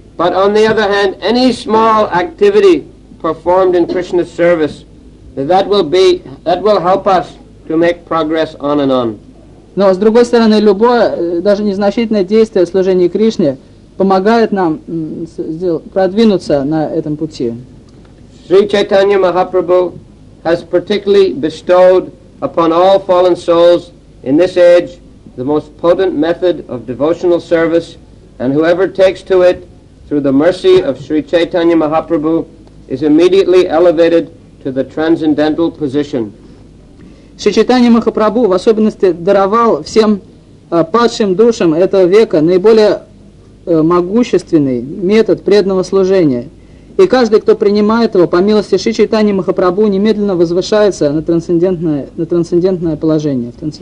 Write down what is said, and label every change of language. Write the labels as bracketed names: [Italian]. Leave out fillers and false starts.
[English] But on the other hand, any small activity performed in Krishna's service, that will help us to make progress on and on. [Russian] Но с другой стороны, любое даже незначительное действие в служении Кришне помогает нам продвинуться на этом пути. [English] Sri Chaitanya Mahaprabhu has particularly bestowed upon all fallen souls in this age the most potent method of devotional service, and whoever takes to it through the mercy of Sri Chaitanya Mahaprabhu is immediately elevated to the transcendental position. [Russian] Sri Chaitanya Mahaprabhu в особенности даровал всем падшим душам этого века наиболее могущественный метод преданного служения. И каждый, кто принимает его, по милости Шри Чайтаньи Махапрабху, немедленно возвышается на трансцендентное положение.